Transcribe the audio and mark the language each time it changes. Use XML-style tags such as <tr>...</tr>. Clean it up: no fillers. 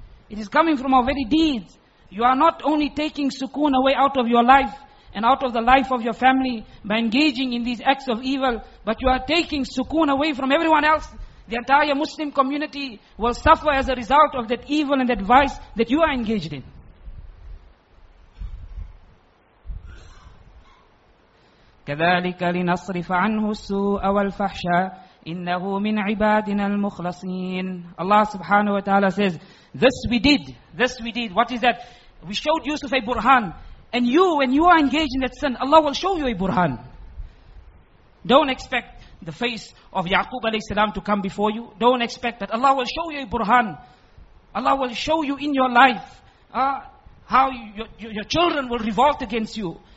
<en>It is coming from our very deeds. You are not only taking sukoon away out of your life and out of the life of your family by engaging in these acts of evil, but you are taking sukoon away from everyone else. The entire Muslim community will suffer as a result of that evil and that vice that you are engaged in.</en> <ar>كذلك لنصرف عنه السوء والفحشاء إنه من عبادنا المخلصين.</ar> <en>Allah subhanahu wa ta'ala says, this we did. What is that? We showed Yusuf a burhan. And you, when you are engaged in that sin, Allah will show you a burhan. Don't expect the face of Yaqub alayhi salam to come before you. Don't expect that. Allah will show you a burhan. Allah will show you in your life how your children will revolt against you.</en>